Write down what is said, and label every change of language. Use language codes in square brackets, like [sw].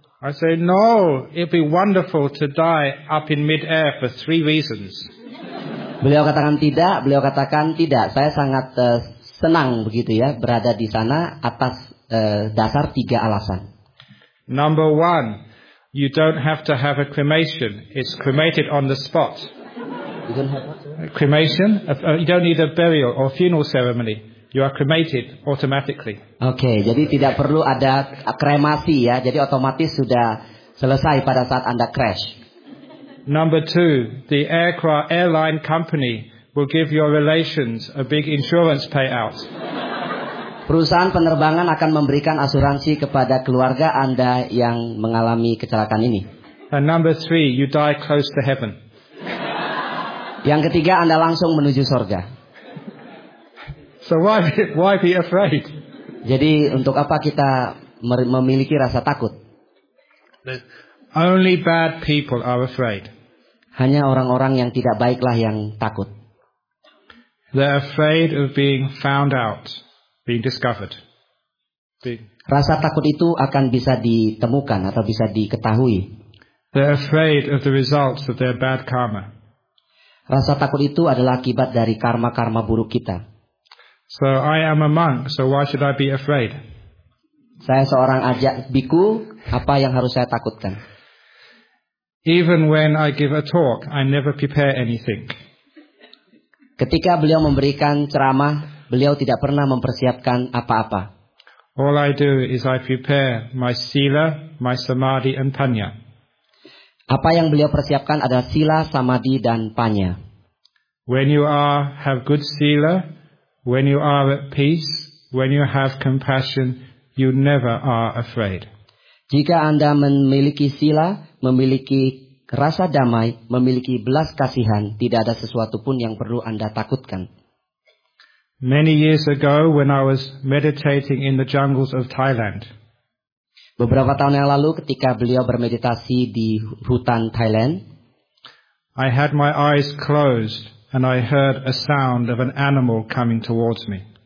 [en] I say, "No, it'd be wonderful to die up in mid-air for three reasons." [id] Beliau katakan tidak. Saya sangat senang begitu ya berada di sana atas dasar tiga alasan. [en] Number one, you don't have to have a cremation. It's cremated on the spot. You don't have what? Cremation? You don't need a burial or funeral ceremony. You are cremated automatically. [id] Okay, jadi tidak perlu ada kremasi ya. Jadi otomatis sudah selesai pada saat Anda crash. [en] Number two, the aircraft airline company will give your relations a big insurance payout. [id] Perusahaan penerbangan akan memberikan asuransi kepada keluarga Anda yang mengalami kecelakaan ini. [en] And number three, you die close to heaven. [id] Yang ketiga, Anda langsung menuju surga. [en] So why be afraid? [id] Jadi untuk apa kita memiliki rasa takut? [en] Only bad people are afraid. [id] Hanya orang-orang yang tidak baiklah yang takut. [en] They're afraid of being found out, being discovered. [id] Rasa takut itu akan bisa ditemukan atau bisa diketahui. [en] They're afraid of the results of their bad karma. [id] Rasa takut itu adalah akibat dari karma-karma buruk kita. [en] So I am a monk, so why should I be afraid? [id] Saya seorang ajak biku, apa yang harus saya takutkan? [en] Even when I give a talk, I never prepare anything. [id] Ketika beliau memberikan ceramah, beliau tidak pernah mempersiapkan apa-apa. [en] All I do is I prepare my sila, my samadhi and panya. [id] Apa yang beliau persiapkan adalah sila, samadhi dan panya. [en] When you are have good sila, when you are at peace, when you have compassion, you never are afraid. [id] Jika Anda memiliki sila, memiliki rasa damai, memiliki belas kasihan, tidak ada sesuatu pun yang perlu Anda takutkan. [en] Many years ago when I was meditating in the jungles of Thailand. [id] Beberapa tahun yang lalu ketika beliau bermeditasi di hutan Thailand. [en] I had my eyes closed and I heard a sound of an animal coming towards me.